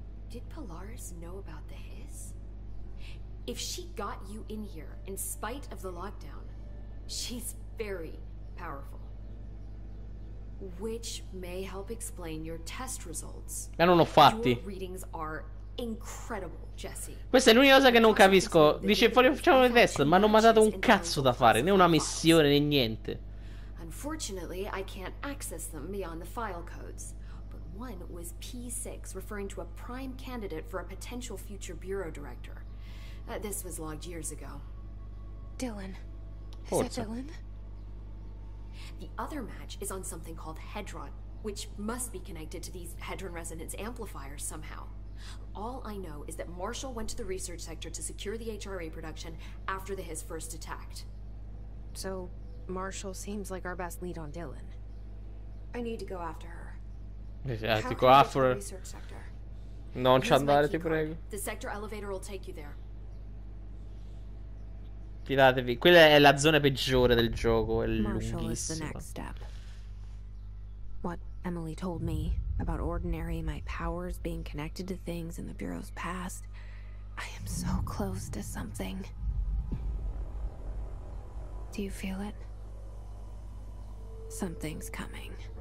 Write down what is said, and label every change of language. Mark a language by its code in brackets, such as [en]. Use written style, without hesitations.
[en] Did Polaris know about the hiss? If she got you in here, in spite of the lockdown, she's very powerful. Which may help explain your test results. [it] Ma non ho fatti. [en] Your readings are incredible, Jesse. [it] Questa è l'unica cosa che non capisco. Dice, facciamo il test, ma non mi ha dato un cazzo da fare, né una missione, né niente. [en] Unfortunately, I can't access them beyond the file codes. But one was P6, referring to a prime candidate for a potential future bureau director. This was logged years ago. Dylan. [it] Forza. [en] Is that Dylan? The other match is on something called Hedron, which must be connected to these Hedron resonance amplifiers somehow. All I know is that Marshall went to the research sector to secure the HRA production after the HIS first attacked. So... Marshall seems like our best lead on Dylan. I need to go after her. Yeah, to go after her. [it] Non ci andare, ti prego. [en] The sector elevator will take you there. [it] Fidatevi, quella è la zona peggiore del gioco, è lunghissima. [en] Marshall is the next step. What Emily told me about Ordinary, my powers being connected to things in the Bureau's past. I am so close to something. Do you feel it? Something's coming.